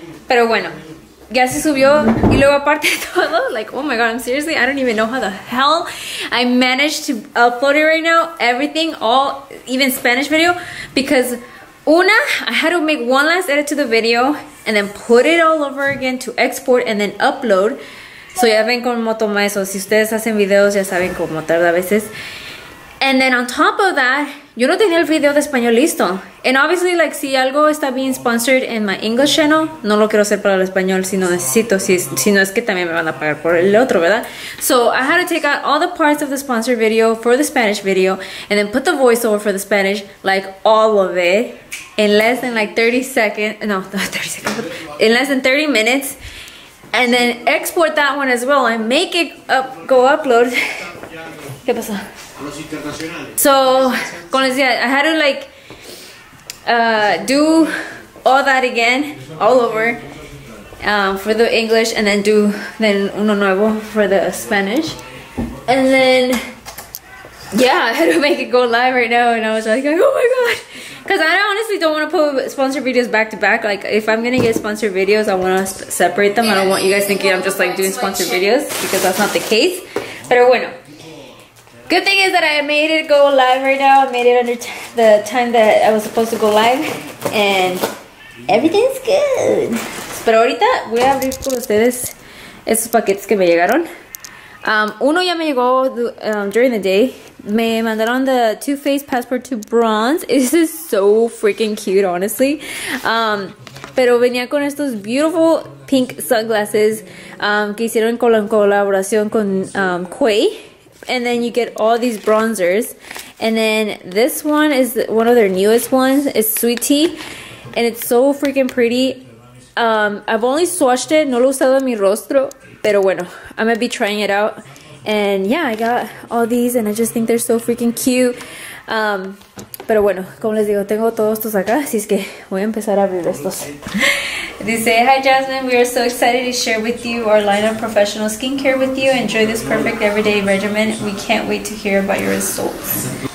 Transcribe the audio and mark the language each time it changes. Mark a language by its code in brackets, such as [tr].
[es] Pero bueno, ya se subió y luego aparte de todo, [en] like, oh my god, I'm seriously, I don't even know how the hell I managed to upload it right now, everything, all, even Spanish video, because una, I had to make one last edit to the video and then put it all over again to export and then upload. [es] So ya ven cómo toma eso, si ustedes hacen videos ya saben cómo tarda a veces. [en] And then on top of that, [es] yo no tenía el video de español listo. [en] And obviously, like, [es] si algo está [en] being sponsored in my English channel, [es] no lo quiero hacer para el español, sino necesito, si no es que también me van a pagar por el otro, ¿verdad? [en] So, I had to take out all the parts of the sponsored video for the Spanish video, and then put the voiceover for the Spanish, like, all of it, in less than, like, 30 seconds. No, not 30 seconds. In less than 30 minutes. And then export that one as well, and make it up, go upload. [es] ¿Qué pasó? [en] So, [es] como les decía, [en] I had to like do all that again, all over for the English, and then do then [es] uno nuevo [en] for the Spanish. And then, yeah, I had to make it go live right now. And I was like, oh my God. Because I honestly don't want to put sponsored videos back to back. Like, if I'm going to get sponsored videos, I want to separate them. I don't want you guys thinking I'm just like doing sponsored videos, because that's not the case. But bueno. Good thing is that I made it go live right now. I made it under the time that I was supposed to go live. And everything's good. [es] Pero ahorita voy a abrir con ustedes esos paquetes que me llegaron. Uno ya me llegó [en] during the day. [es] Me mandaron the Too Faced Passport to Bronze. [en] This is so freaking cute, honestly. [es] Pero venía con estos [en] beautiful pink sunglasses [es] que hicieron con la colaboración con Quay. [en] And then you get all these bronzers. And then this one is one of their newest ones. It's Sweet Tea. And it's so freaking pretty. I've only swatched it. [es] No lo he usado en mi rostro. Pero bueno, [en] I'm going to be trying it out. And yeah, I got all these. And I just think they're so freaking cute. [es] Pero bueno, como les digo, tengo todos estos acá. Así es que voy a empezar a abrir estos. [en] They say, hi Jasmine, we are so excited to share with you our line of professional skincare with you. Enjoy this perfect everyday regimen. We can't wait to hear about your results.